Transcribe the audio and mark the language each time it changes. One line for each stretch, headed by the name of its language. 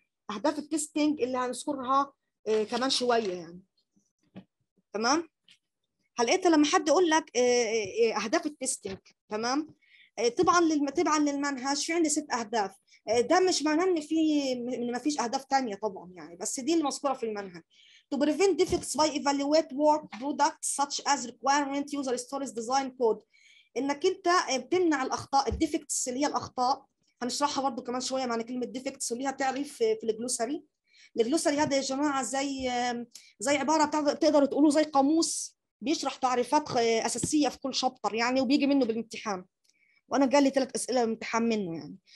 Arabic: اهداف التستنج اللي هنذكرها كمان شويه يعني. تمام. هل انت لما حد يقول لك اهداف التستنج تمام، طبعا تبعا للمنهج في عندي 6 اهداف. ده مش معناه ان في ما فيش اهداف ثانيه طبعا يعني، بس دي المذكوره في المنهج.
English: To prevent defects by evaluate work products such as requirement user stories design code.
Arabic: انك انت بتمنع الاخطاء الديفكتس اللي هي الاخطاء، هنشرحها برضو كمان شويه معنى كلمه ديفكتس وليها تعريف في الجلوسري. الجلوسري هذا يا جماعه زي عباره تقدر تقولوا زي قاموس بيشرح تعريفات اساسيه في كل شابتر يعني، وبيجي منه بالامتحان، وانا جالي 3 اسئله بالامتحان منه يعني.